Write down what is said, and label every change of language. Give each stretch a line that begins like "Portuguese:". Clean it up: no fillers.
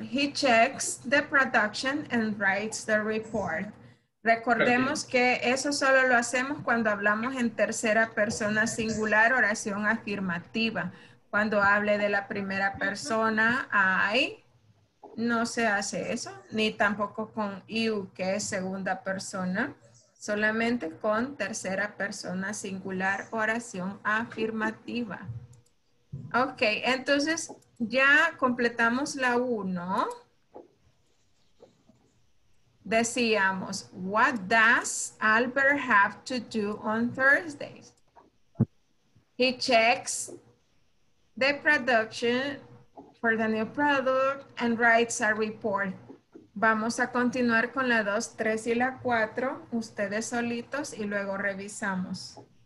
English: He checks the production and writes the report.
Spanish: Recordemos que eso solo lo hacemos cuando hablamos en tercera persona singular, oración afirmativa. Cuando hable de la primera persona, I, no se hace eso, ni tampoco con you, que es segunda persona. Solamente con tercera persona singular, oración afirmativa. Ok, entonces ya completamos la uno. Decíamos,
English: what does Albert have to do on Thursdays? He checks the production for the new product and writes a report.
Spanish: Vamos a continuar con la 2, 3 y la 4, ustedes solitos y luego revisamos.